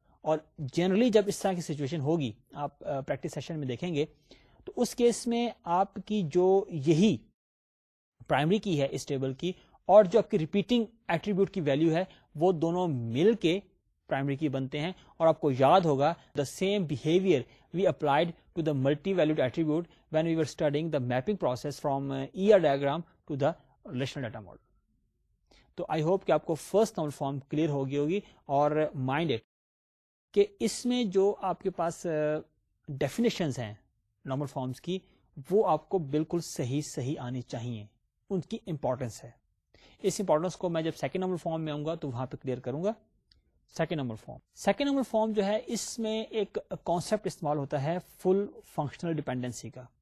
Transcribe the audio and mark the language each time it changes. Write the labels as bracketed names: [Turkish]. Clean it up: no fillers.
[Urdu] اور جنرلی جب اس طرح کی سچویشن ہوگی آپ پریکٹس سیشن میں دیکھیں گے تو اس کیس میں آپ کی جو یہی پرائمری کی ہے اس ٹیبل کی اور جو آپ کی ریپیٹنگ ایٹریبیوٹ کی ویلیو ہے وہ دونوں مل کے پرائمری کی بنتے ہیں. اور آپ کو یاد ہوگا [English] The same behaviour we applied to the multi valued attribute when we were studying the mapping process from ER diagram to the relational data model. [Urdu] تو آئی ہوپ کہ آپ کو فرسٹ نمبر فارم کلیئر ہوگی ہوگی, اور [English] mind it [Urdu] کہ اس میں جو آپ کے پاس ڈیفینیشنز ہیں نمبر فارمز کی وہ آپ کو بالکل صحیح صحیح آنی چاہیے, ان کی امپورٹنس ہے. اس امپورٹنس کو میں جب سیکنڈ نمبر فارم میں آؤں گا تو وہاں پہ کلیئر کروں گا. سیکنڈ نمبر فارم جو ہے اس میں ایک کانسیپٹ استعمال ہوتا ہے فل فنکشنل ڈیپینڈنسی کا.